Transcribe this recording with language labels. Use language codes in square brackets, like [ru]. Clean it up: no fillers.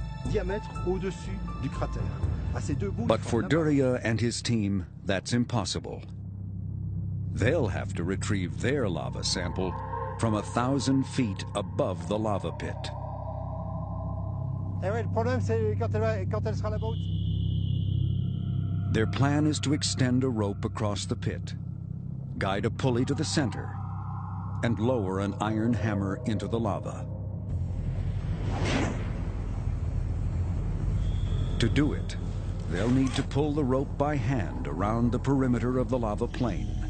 [fr] diamètre au-dessus du cratère. À ces deux bouts, [en] but for Duryea and his team, that's impossible. They'll have to retrieve their lava sample from 1,000 feet above the lava pit. [fr] Eh oui, le problème, c'est quand elle sera là-bas. [en] Their plan is to extend a rope across the pit, guide a pulley to the center, and lower an iron hammer into the lava. To do it, they'll need to pull the rope by hand around the perimeter of the lava plain.